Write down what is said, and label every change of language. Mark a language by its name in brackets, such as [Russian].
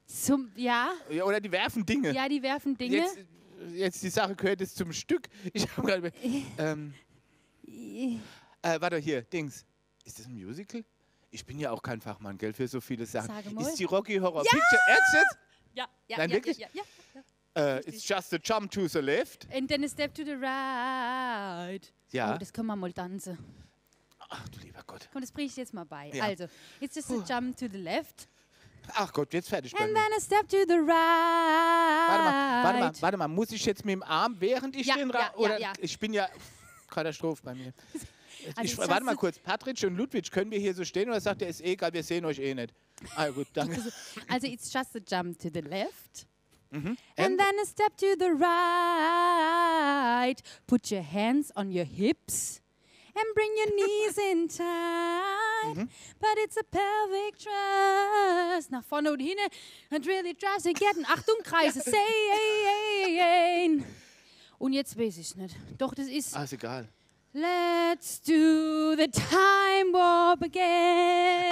[German] Oder die werfen Dinge. Ja, die werfen Dinge. Jetzt die Sache gehört jetzt zum Stück. Ich habe gerade. Warte, hier, Dings. Ist das ein Musical? Ich bin ja auch kein Fachmann, gell, für so viele Sachen. Ist die Rocky Horror Picture? [English] It's just a jump to the left. And then a step to the right. [German] Ja. Oh, das können wir mal tanzen. Ach du lieber Gott. Komm, das bringe ich jetzt mal bei. Ja. [English] Also, it's just a jump to the left. [German] Ach Gott, jetzt fertig. [English] And then a step to the right. [German] Warte mal, muss ich jetzt mit dem Arm, während ich ich bin ja Katastrophe bei mir. Warte mal kurz, Patrick und Ludwig, können wir hier so stehen oder sagt er, ist egal, wir sehen euch eh nicht. Ah gut, danke. [English] Also it's just a jump to the left. Mhm. And then a step to the right. Put your hands on your hips. And bring your knees in tight, but it's a pelvic thrust. [German] Nach vorne und hinten, [English] and really tries to get an [German] Achtung, Kreise, sein. Und jetzt weiß ich es nicht. Doch, das ist... Ah, ist egal. [English] Let's do the time warp again.